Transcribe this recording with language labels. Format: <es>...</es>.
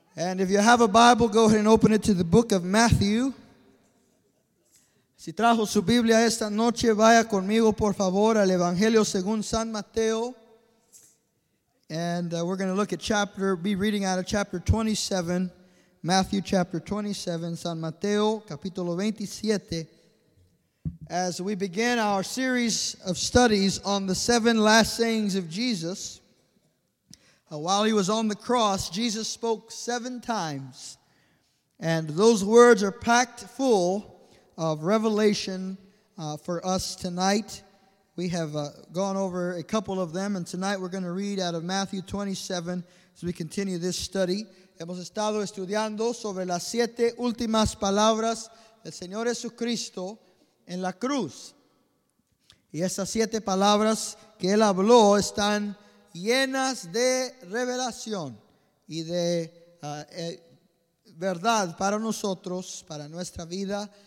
<en>And if you have a Bible, go ahead and open it to the book of Matthew.</en> <es>Si trajo su Biblia esta noche, vaya conmigo, por favor, al Evangelio según San Mateo.</es> <en>And we're going to look at reading out of chapter 27, Matthew chapter 27,</en> <es>San Mateo, capítulo 27,</es> <en>as we begin our series of studies on the seven last sayings of Jesus. While he was on the cross, Jesus spoke seven times, and those words are packed full of revelation for us tonight. We have gone over a couple of them, and tonight we're going to read out of Matthew 27 as we continue this study.</en> <es>Hemos estado estudiando sobre las siete últimas palabras del Señor Jesucristo en la cruz. Y esas siete palabras que él habló están llenas de revelación y de verdad para nosotros, para nuestra vida.</es>